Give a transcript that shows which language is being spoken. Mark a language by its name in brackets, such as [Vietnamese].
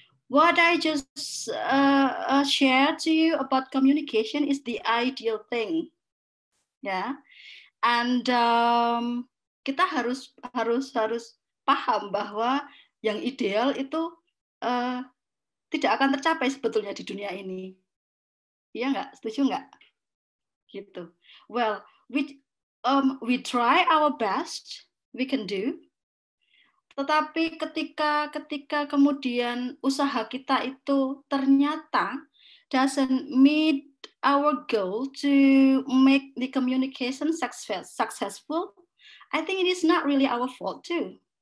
[English] What I just shared to you about communication is the ideal thing. Yeah. [Indonesian] And kita harus paham bahwa yang ideal itu tidak akan tercapai sebetulnya di dunia ini. Iya enggak? Setuju enggak? Gitu. [English] Well, we try our best we can do. [Indonesian] Tetapi ketika kemudian usaha kita itu ternyata [English] doesn't meet our goal to make the communication successful, I think it is not really our fault too.